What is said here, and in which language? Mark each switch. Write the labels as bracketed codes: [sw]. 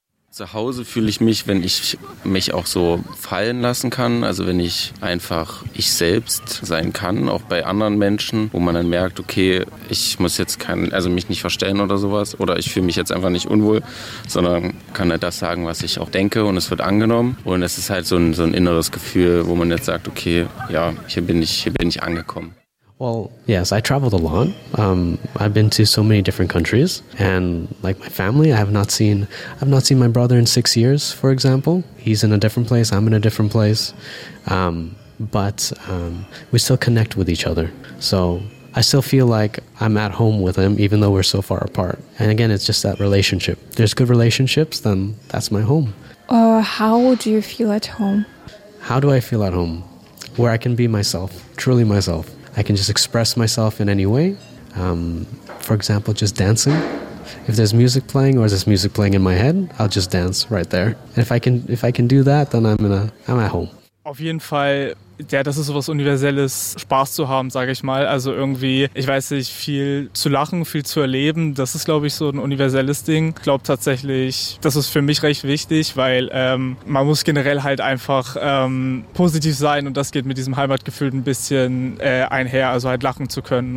[de] Zu Hause fühle ich mich, wenn ich mich auch so fallen lassen kann, also wenn ich einfach ich selbst sein kann, auch bei anderen Menschen, wo man dann merkt, okay, ich muss jetzt mich nicht verstellen oder sowas oder ich fühle mich jetzt einfach nicht unwohl, sondern kann halt das sagen, was ich auch denke und es wird angenommen und es ist halt so ein inneres Gefühl, wo man jetzt sagt, okay, ja, hier bin ich angekommen. [en] Well, yes, I traveled a lot. I've been to so many different countries, and like my family, I've not seen my brother in 6 years, for example. He's in a different place, I'm in a different place, but we still connect with each other. So I still feel like I'm at home with him, even though we're so far apart. And again, it's just that relationship. If there's good relationships, then that's my home. How do you feel at home? How do I feel at home? Where I can be myself, truly myself. I can just express myself in any way. For example, just dancing. If there's music playing or there's music playing in my head, I'll just dance right there. And if I can do that, then I'm at home. [de] Auf jeden Fall ja, das ist sowas Universelles, Spaß zu haben, sage ich mal. Also irgendwie, ich weiß nicht, viel zu lachen, viel zu erleben, das ist, glaube ich, so ein universelles Ding. Ich glaube tatsächlich, das ist für mich recht wichtig, weil man muss generell halt einfach positiv sein und das geht mit diesem Heimatgefühl ein bisschen einher, also halt lachen zu können.